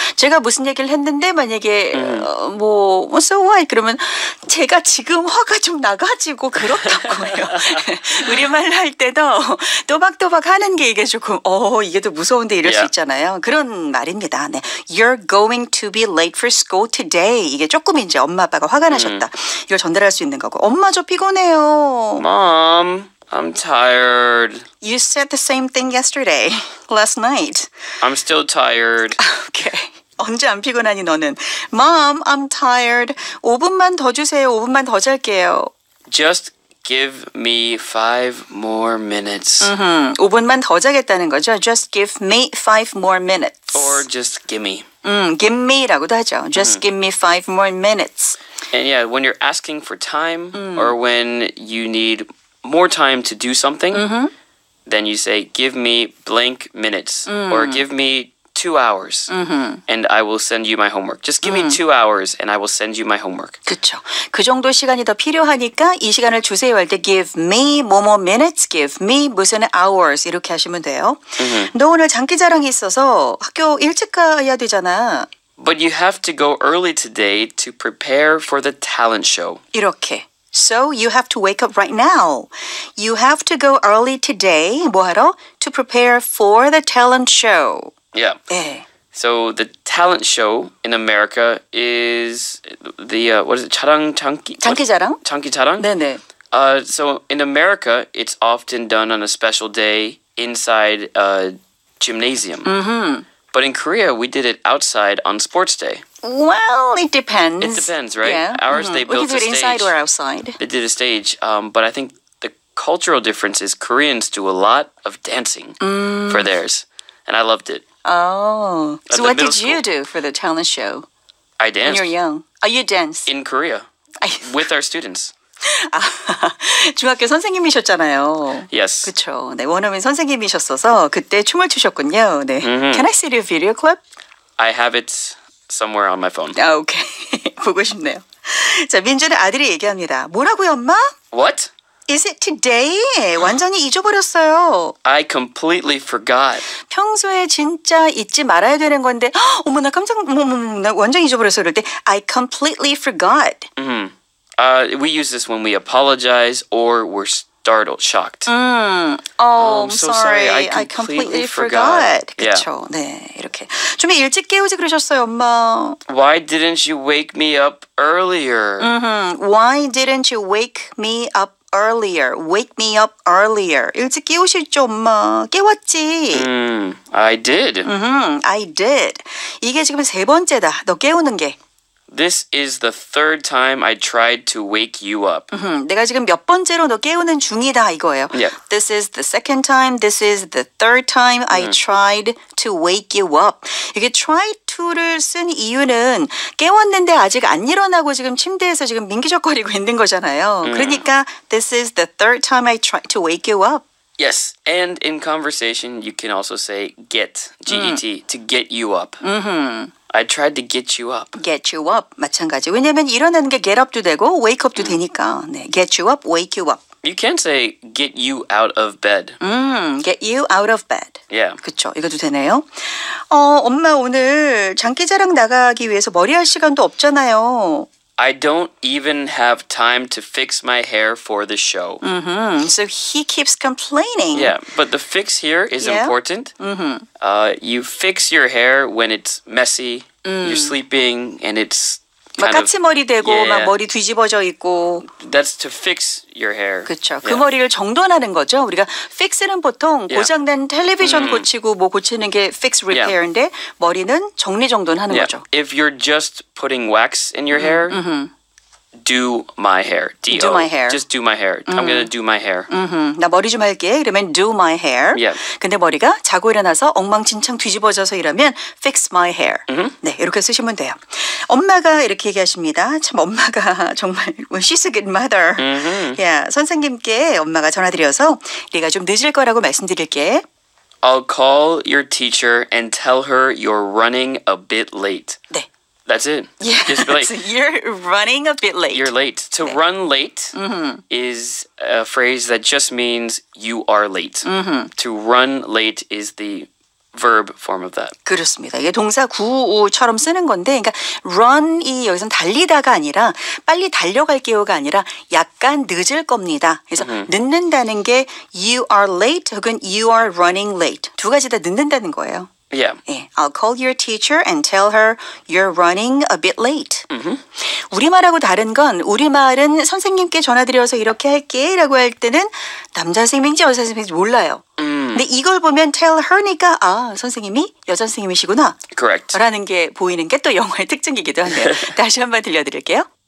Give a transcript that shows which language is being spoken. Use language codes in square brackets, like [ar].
[ko] 제가 무슨 얘기를 했는데 만약에 뭐 [en] so what [ko] 그러면 제가 지금 화가 좀 나가지고 그렇다고요. 우리말로 할 때도 또박또박 하는 게 이게 조금 이게 또 무서운데 이럴 yeah. 수 있잖아요. 그런 말입니다. 네. [en] You're going to be late for school today. [ko] 이게 조금 이제 엄마 아빠가 화가 나셨다. 이걸 전달할 수 있는 거고. 엄마 저 피곤해요. [en] Mom. I'm tired. You said the same thing yesterday, last night. I'm still tired. Okay. [ko] 언제 안 피곤하니 너는? [en] Mom, I'm tired. [ko] 5분만 더 주세요. 5분만 더 잘게요. [en] Just give me 5 more minutes. Mm-hmm. [ko] 5분만 더 자겠다는 거죠. [en] Just give me 5 more minutes. Or just give me. Give me라고도 하죠. Just give me 5 more minutes. And yeah, when you're asking for time or when you need more time to do something, mm-hmm. then you say, give me blank minutes or give me 2 hours mm-hmm. and I will send you my homework. Just give me 2 hours and I will send you my homework. [ko] 그쵸. 그 정도 시간이 더 필요하니까 이 시간을 주세요 할 때 [en] give me [ko] 뭐뭐 minutes, give me 무슨 hours 이렇게 하시면 돼요. Mm-hmm. 너 오늘 장기자랑이 있어서 학교 일찍 가야 되잖아. [en] But you have to go early today to prepare for the talent show. [ko] 이렇게. [en] So you have to wake up right now. You have to go early today, [ko] 뭐하러? [en] To prepare for the talent show. Yeah. 네. So the talent show in America is the, what is it, [ko] 자랑, 장기? 장기자랑? 장기자랑? 네네. [en] So in America, it's often done on a special day inside a gymnasium. Mm-hmm. But in Korea, we did it outside on sports day. Well, it depends. It depends, right? Yeah. Ours, mm-hmm. they built a stage. We could do it inside or outside. They did a stage, but I think the cultural difference is Koreans do a lot of dancing for theirs, and I loved it. Oh. So what did you do for the talent show? I danced. When you were young. Oh, you danced. In Korea, with our students. [ko] 아, 중학교 선생님이셨잖아요. [en] Yes. [ko] 그쵸. 네, 원어민 선생님이셨어서 그때 춤을 추셨군요. [en] 네. Mm-hmm. Can I see your video clip? I have it somewhere on my phone. [ko] Okay. 보고 싶네요. 자, 민준의 아들이 얘기합니다. 뭐라고요, 엄마? [en] What? Is it today? [ko] 완전히 잊어버렸어요. [en] I completely forgot. [ko] 평소에 진짜 잊지 말아야 되는 건데, 어머나 깜짝, 나 완전히 잊어버렸어요. 그럴 때, [en] I completely forgot. Mm-hmm. We use this when we apologize or we're startled, shocked. Mm. Oh, I'm so sorry. I completely forgot. [ko] 그쵸? Yeah. 네, 이렇게. 좀 일찍 깨우지 그러셨어요, 엄마. [en] Why didn't you wake me up earlier? Mm-hmm. Why didn't you wake me up earlier? Wake me up earlier. [ko] 일찍 깨우셨죠, 엄마. 깨웠지. [en] Mm. I did. Mm-hmm. I did. [ko] 이게 지금 세 번째다, 너 깨우는 게. [en] This is the third time I tried to wake you up. Mm-hmm. [ko] 내가 지금 몇 번째로 너 깨우는 중이다 이거예요. Yeah. [en] This is the second time. This is the third time I tried to wake you up. [ko] 이게 [en] try to [ko] 를 쓴 이유는 깨웠는데 아직 안 일어나고 지금 침대에서 지금 민기적거리고 있는 거잖아요. Mm. [en] 그러니까 this is the third time I tried to wake you up. Yes, and in conversation you can also say get, G-E-T, to get you up. Mm-hmm. I tried to get you up. Get you up. [ko] 마찬가지. 왜냐면 일어나는 게 get up도 되고 wake up도 되니까. 네. [en] Get you up, wake you up. You can say get you out of bed. Get you out of bed. Yeah. [ko] 그렇죠. 이것도 되네요. 엄마 오늘 장기자랑 나가기 위해서 머리할 시간도 없잖아요. [en] I don't even have time to fix my hair for the show. Mm-hmm. So he keeps complaining. Yeah, but the fix here is important. Mm-hmm. You fix your hair when it's messy, you're sleeping, and it's kind of... [ko] 까치머리 되고, yeah. 막 머리 뒤집어져 있고. [en] That's to fix your hair. [ko] 그쵸. 그 머리를 정돈하는 거죠. 우리가 fix는 보통 고장난 텔레비전 고치고 뭐 고치는 게 fix repair인데 머리는 정리정돈하는 거죠. [en] If you're just putting wax in your hair, do my hair. D-O. Do my hair. Just do my hair. I'm going to do my hair. [ko] Mm-hmm. 나 머리 좀 할게. 이러면 [en] do my hair. Yeah. [ko] 근데 머리가 자고 일어나서 엉망진창 뒤집어져서 이러면 [en] fix my hair. Mm-hmm. [ko] 네, 이렇게 쓰시면 돼요. 엄마가 이렇게 얘기하십니다. 참 엄마가 정말 [en] well, she's a good mother. Mm-hmm. [ko] Yeah, 선생님께 엄마가 전화드려서 네가 좀 늦을 거라고 말씀드릴게. [en] I'll call your teacher and tell her you're running a bit late. 네. That's it. Yeah. Just be late. So you're running a bit late. You're late. To run late is a phrase that just means you are late. Mm-hmm. To run late is the verb form of that. [ko] 그렇습니다. 이게 동사 구우처럼 쓰는 건데, 그러니까 run이 여기서 달리다가 아니라 빨리 달려갈 기회가 아니라 약간 늦을 겁니다. 그래서 늦는다는 게 you are late 혹은 [en] you are running late. [ko] 두 가지 다 늦는다는 거예요. Yeah. [en] I'll call your teacher and tell her you're running a bit late. Mm-hmm. [ko] 우리말하고 다른 건 우리말은 선생님께 전화드려서 이렇게 할게 라고 할 때는 남자 선생님인지 여자 선생님인지 몰라요. 근데 이걸 보면 [en] tell her [ko] 니까 아 선생님이 여자 선생님이시구나. [en] Correct. [ko] 라는 게 보이는 게 또 영어의 특징이기도 한데요. 다시 한번 들려드릴게요.